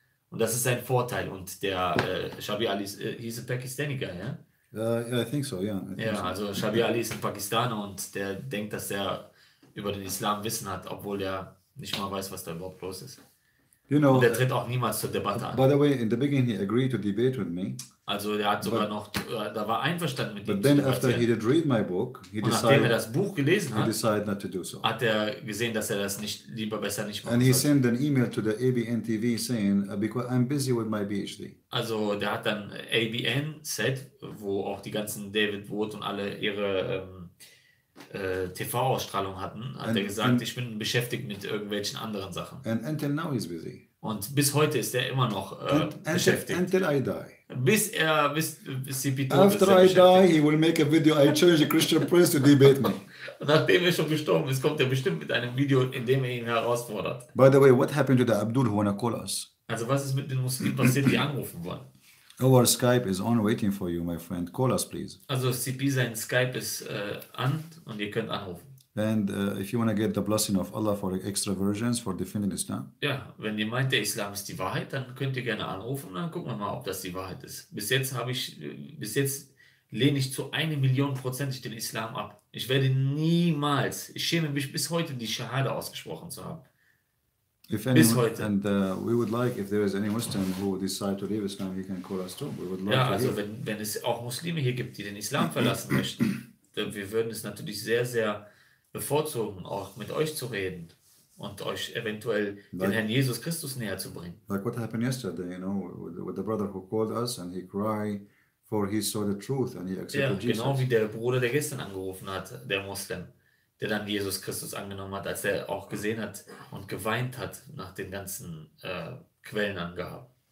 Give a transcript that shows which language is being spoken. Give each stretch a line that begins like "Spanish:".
German: Und das ist sein Vorteil. Und der Shabi Ali,
English: he's a Pakistani guy,
German: ja?
English: I think so, yeah.
German: Also Shabi Ali ist ein Pakistaner und der denkt, dass er über den Islam Wissen hat, obwohl er nicht mal weiß, was da überhaupt los ist.
English: You know,
German: und der tritt auch niemals zur Debatte an.
English: By the way, in the beginning he agreed to debate with me.
German: Also er hat sogar noch, da war einverstanden mit ihm.
English: But then after he did read my book,
German: nachdem er das Buch gelesen hat,
English: he decided not to do so.
German: Hat er gesehen, dass er das nicht, lieber besser nicht macht.
English: And he sent an email to the ABN TV saying, because I'm busy with my PhD.
German: Also der hat dann ABN Set, wo auch die ganzen David Wood und alle ihre TV-Ausstrahlung hatten, hat er gesagt, ich bin beschäftigt mit irgendwelchen anderen Sachen.
English: And until now he's busy.
German: Und bis heute ist er immer noch beschäftigt.
English: Until I die.
German: Bis CP
English: After I die, he will make a video, I challenge a Christian Prince to debate me.
German: Nachdem er schon gestorben ist, kommt er bestimmt mit einem Video, in dem er ihn herausfordert.
English: By the way, what happened to the Abdul who wanna call us?
German: Also was ist mit den Muslimen passiert, die anrufen wollen?
English: Our Skype is on waiting for you, my friend. Call us, please.
German: Also CP, sein Skype ist an und ihr könnt anrufen.
English: And if you want to get the blessing of Allah for extra versions for defending Islam.
German: Ja, wenn ihr meint, der Islam ist die Wahrheit, dann könnt ihr gerne anrufen, dann gucken wir mal, ob das die Wahrheit ist. Bis jetzt lehne ich zu 1 Million% den Islam ab. Ich werde niemals, ich schäme mich bis heute, die Schahada ausgesprochen zu haben.
English: If any,
German: bis heute.
English: And we would like, if there is any Muslim who decide to leave Islam, he can call us too. We would love to hear.
German: Ja, also wenn es auch Muslime hier gibt, die den Islam verlassen möchten, dann wir würden es natürlich sehr, sehr bevorzugen, auch mit euch zu reden und euch eventuell like, den Herrn Jesus Christus näher zu bringen.
English: Like what happened yesterday, you know, with the brother who called us and he cried for he saw the truth and he accepted Jesus.
German: Ja, genau Jesus. Wie der Bruder, der gestern angerufen hat, der Muslim, der dann Jesus Christus angenommen hat, als er auch gesehen hat und geweint hat nach den ganzen Quellenangaben.